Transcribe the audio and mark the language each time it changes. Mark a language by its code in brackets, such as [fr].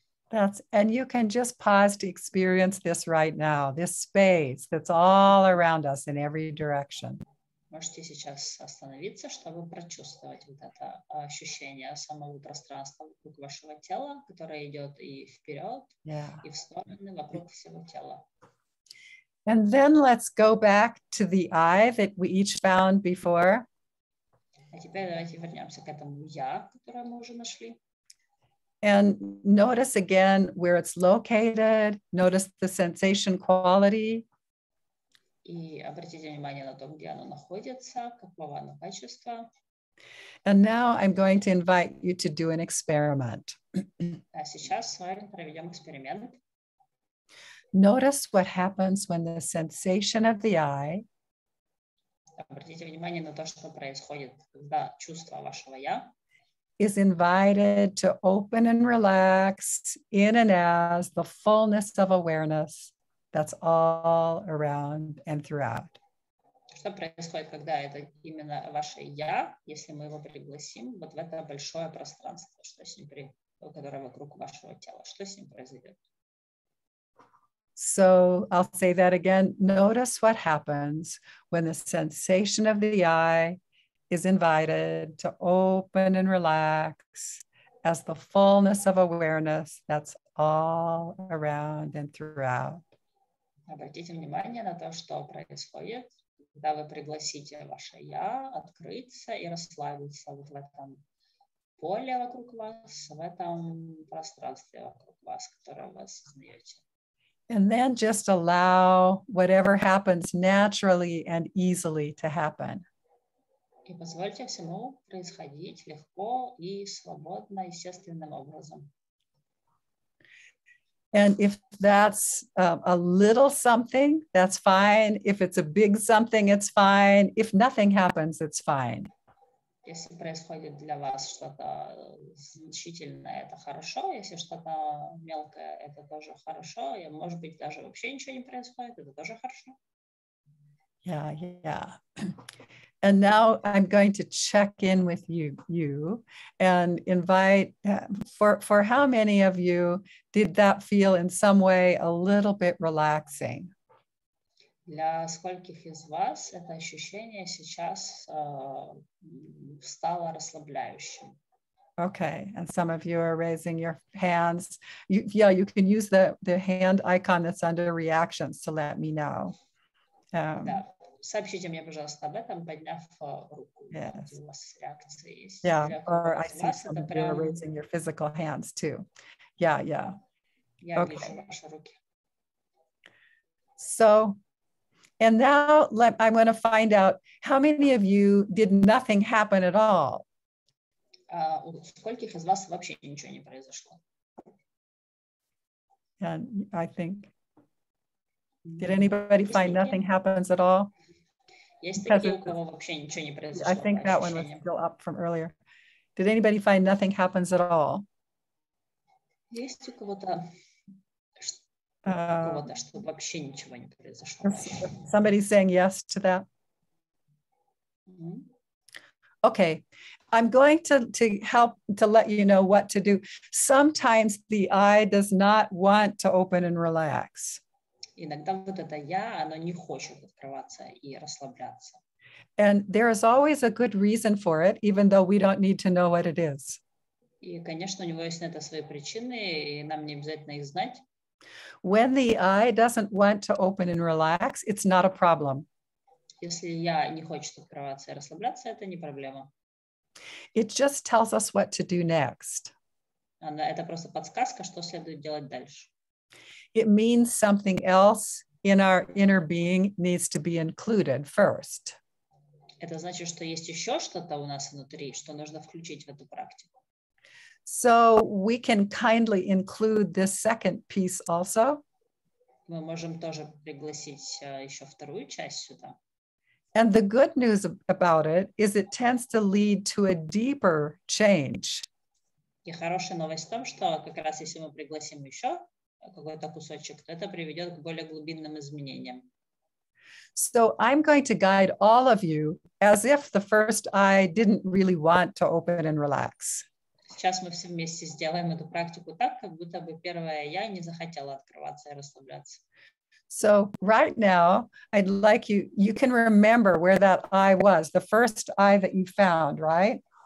[en] That's, and you can just pause to experience this right now, this space that's all around us in every direction. [ru] Можете сейчас остановиться, чтобы прочувствовать вот это ощущение самого пространства вокруг вашего тела, которое идет и вперед, и в стороны вокруг всего тела. [en] And then let's go back to the I that we each found before. [ru] А теперь давайте вернемся к этому я, которое мы уже нашли. [en] And notice again where it's located. Notice the sensation quality. [ru] И обратите внимание на то, где оно находится, какого оно качества. [en] And now I'm going to invite you to do an experiment. [ru] А сейчас с вами проведем эксперимент. [en] Notice what happens when the sensation of the eye. [ru] Обратите внимание на то, что происходит, когда чувство вашего я. [en] Is invited to open and relax in and as the fullness of awareness that's all around and throughout. [ru] Что происходит, когда это именно ваше я, если мы его пригласим вот в это большое пространство, что с ним которое вокруг вашего тела, что с ним произойдет? [en] So I'll say that again. Notice what happens when the sensation of the eye is invited to open and relax as the fullness of awareness that's all around and throughout. [ru] Обратите внимание на то, что происходит, когда вы пригласите ваше я открыться и расслабиться вот в этом поле вокруг вас, в этом пространстве вокруг вас, которое вы осознаете. [en] And then just allow whatever happens naturally and easily to happen. [ru] И позвольте всему происходить легко и свободно, естественным образом. [en] And if that's a little something, that's fine. If it's a big something, it's fine. If nothing happens, it's fine. [ru] Если происходит для вас что-то значительное, это хорошо. Если что-то мелкое, это тоже хорошо. И, может быть, даже вообще ничего не происходит, это тоже хорошо. [en] Yeah. And now I'm going to check in with you and invite for how many of you did that feel in some way a little bit relaxing? [ru] Для скольких из вас это ощущение сейчас стало расслабляющим? [en] Okay, and some of you are raising your hands. You can use the hand icon that's under reactions to let me know. [ru] Сообщите мне, пожалуйста, об этом, подняв руку, [en] yes. [ru] У вас реакции есть. [en] I see some of you are raising your physical hands too. Yeah. [ru] Я вижу ваши руки. [en] So, and now I'm going to find out how many of you did nothing happen at all. [ru] У скольких из вас вообще ничего не произошло? [en] And I think, did anybody find nothing happens at all? [ru] Есть такие, у кого вообще ничего не произошло. [en] I think that one was still up from earlier. Did anybody find nothing happens at all? [ru] Есть у кого-то, что вообще ничего не произошло. [en] Somebody saying yes to that? Okay. I'm going to help let you know what to do. Sometimes the eye does not want to open and relax. [ru] Иногда вот это я, оно не хочет открываться и расслабляться. [en] And there is always a good reason for it, even though we don't need to know what it is. [ru] И, конечно, у него есть на это свои причины, и нам не обязательно их знать. [en] When the eye doesn't want to open and relax, it's not a problem. [ru] Если я не хочу открываться и расслабляться, это не проблема. [en] It just tells us what to do next. [ru] Это просто подсказка, что следует делать дальше. [en] It means something else in our inner being needs to be included first. [ru] Это значит, что есть еще что-то у нас внутри, что нужно включить в эту практику. [en] So we can kindly include this second piece also. [ru] Мы можем тоже пригласить еще вторую часть сюда. [en] And the good news about it is it tends to lead to a deeper change. [ru] И хорошая новость в том, что как раз если мы пригласим еще какой-то кусочек, то это приведет к более глубинным изменениям. [en] So I'm going to guide all of you as if the first eye didn't really want to open and relax. [ru] Сейчас мы все вместе сделаем эту практику так, как будто бы первое я не захотела открываться и расслабляться. [en] So right now, I'd like you can remember where that eye was, the first eye that you found, right?